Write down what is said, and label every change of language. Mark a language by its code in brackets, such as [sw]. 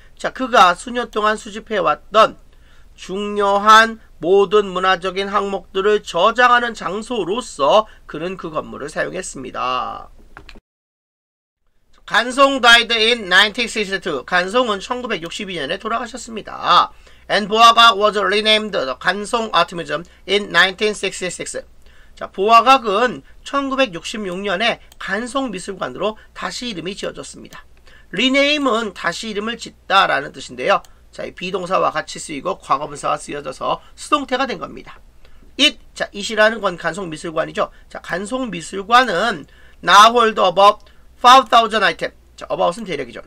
[ko] 자, 그가 수년 동안 수집해왔던 중요한 모든 문화적인 항목들을 저장하는 장소로서 그는 그 건물을 사용했습니다. [en] 간송 died in 1962. [ko] 간송은 1962년에 돌아가셨습니다. [en] And 보아각 was renamed the 간송 Art Museum in 1966. [ko] 자, 보아각은 1966년에 간송 미술관으로 다시 이름이 지어졌습니다. rename은 다시 이름을 짓다라는 뜻인데요. 자, 이 비동사와 같이 쓰이고 과거분사와 쓰여져서 수동태가 된 겁니다. [en] It, [ko] 자, it이라는 건 간송 미술관이죠. 자, 간송 미술관은 [en] now hold about 5,000 items. [ko] 자, about은 대략이죠.